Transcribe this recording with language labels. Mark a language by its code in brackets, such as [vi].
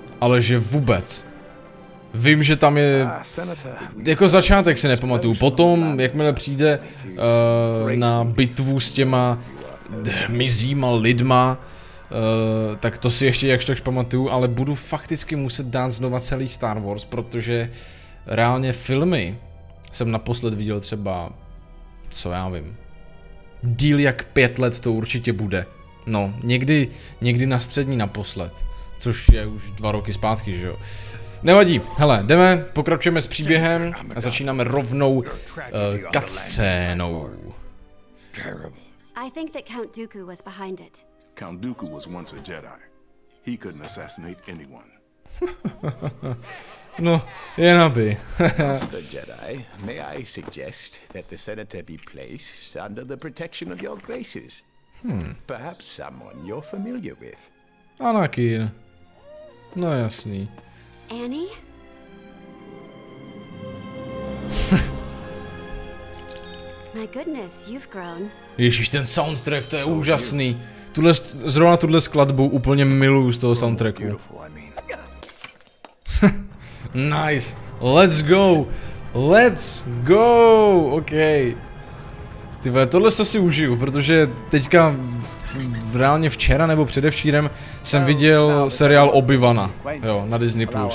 [cs] Ale že vůbec. Vím, že tam je, jako začátek si nepamatuju, potom, jakmile přijde na bitvu s těma hmyzíma lidma, tak to si ještě jakž takž pamatuju, ale budu fakticky muset dát znova celý Star Wars, protože reálně filmy jsem naposled viděl třeba, co já vím, díl jak 5 let to určitě bude. No, někdy na střední naposled, což je už 2 roky zpátky, že jo. Nevadí, hele, jdeme, pokračujeme s příběhem a začínáme rovnou cutscénou. [en] I think that Count Dooku was behind it. Count Dooku was once a Jedi. He couldn't assassinate anyone. [cs] No, jen aby. [en] Mr. Jedi, may I suggest that the senator be placed under the protection of your graces? Perhaps someone you're familiar with. [cs] Anakin. No jasný. [en] Annie? My goodness, you've grown. [cs] Ježiš, ten soundtrack, to je úžasný. Zrovna tuhle skladbu úplně miluju z toho soundtracku. [en] Nice. Let's go. Let's go. OK. [cs] Tyve, tohle se si užiju, protože teďka reálně včera nebo předevčírem jsem viděl seriál Obi-Wana, jo, na Disney+.